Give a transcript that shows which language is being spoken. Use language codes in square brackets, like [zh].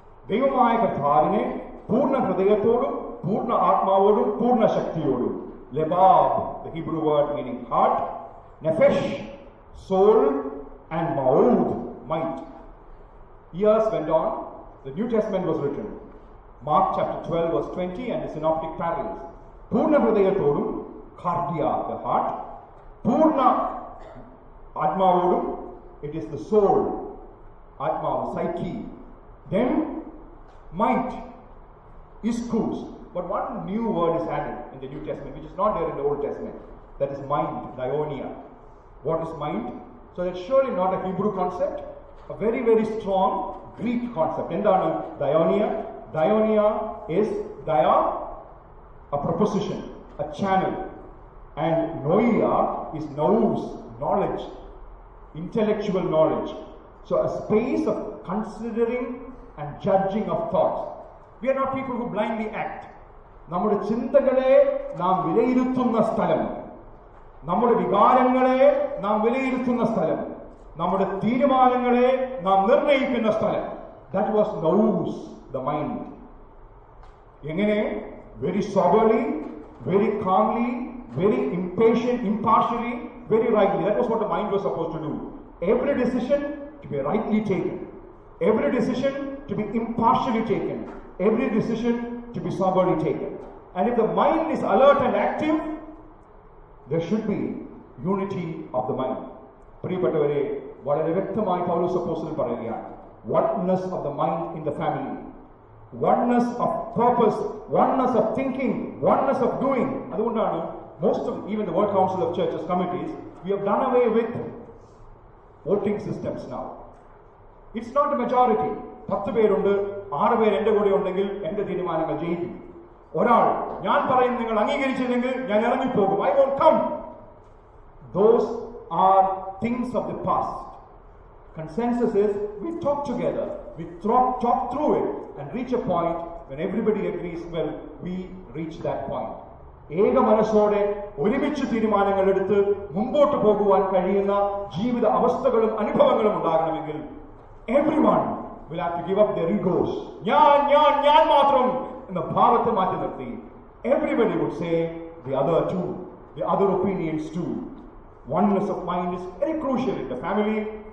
[ml] ദൈവമായ കർത്താവിനെ പൂർണ്ണ ഹൃദയത്തോടും പൂർണ്ണ ആത്മാവോടും പൂർണ്ണ ശക്തിയോടും. [en] Lebab, the Hebrew word meaning heart, nefesh, soul, and ma'ud, mind. Years went on, the New Testament was written. Mark chapter 12 verse 20 and the synoptic parables. [ml] Purna hrudayathodum, [en] cardia, the heart. [ml] Purna atmavodum, [en] it is the soul, atma, psyche. Then, might, iskus. But one new word is added in the New Testament, which is not there in the Old Testament. That is mind, dionia. What is mind? So that's surely not a Hebrew concept. A very, very strong Greek concept. Endana, dionia. Dionia is dia, a preposition, a channel. And noia is nous, knowledge, intellectual knowledge. So a space of considering and judging of thoughts. We are not people who blindly act. [ml] നമ്മുടെ ചിന്തകളെ നാം വിലയിരുത്തുന്ന സ്ഥലം, നമ്മുടെ വികാരങ്ങളെ നാം വിലയിരുത്തുന്ന സ്ഥലം, നമ്മുടെ തീരുമാനങ്ങളെ നാം നിർണയിക്കുന്ന സ്ഥലം. [en] That was nous, the mind. [ml] എങ്ങനെ? [en] Very soberly, very calmly, very impatient, impartially, very rightly. That was what the mind was supposed to do. Every decision to be rightly taken. Every decision to be impartially taken. Every decision to be soberly taken. And if the mind is alert and active, there should be unity of the mind. [ml] പ്രിയപ്പെട്ടവരെ, വളരെ വ്യക്തമായി പൗലോസ് അപ്പോസ്തലൻ പറയുകയാണ്, [en] oneness of the mind in the family, oneness of purpose, oneness of thinking, oneness of doing. [ml] അതുകൊണ്ടാണ് [en] most of even the World Council of Churches committees, we have done away with voting systems now. It's not a majority. [ml] 10 പേരുണ്ട്, 6 പേർ എന്റെ കൂടെ ഉണ്ടെങ്കിൽ എന്റെ തീരുമാനങ്ങൾ ജയിക്കും. ഒരാൾ ഞാൻ പറയുന്നത് നിങ്ങൾ അംഗീകരിച്ചില്ലെങ്കിൽ ഞാൻ ഇറങ്ങിപ്പോകും. [en] I won't come. Those are things of the past. Consensus is we talk together, we talk through it and reach a point when everybody agrees, well, we reach that point. [ml] ഏക മനസ്സോടെ ഒരുമിച്ച് തീരുമാനങ്ങൾ എടുത്ത് മുമ്പോട്ട് പോകുവാൻ കഴിയുന്ന ജീവിത അവസ്ഥകളും അനുഭവങ്ങളും ഉണ്ടാകണമെങ്കിൽ [en] everyone will have to give up their egos. [ml] Nyan matram enna bhavathe maathi nirthi. [en] Everybody would say the other too, the other opinions too. Oneness of mind is very crucial in the family.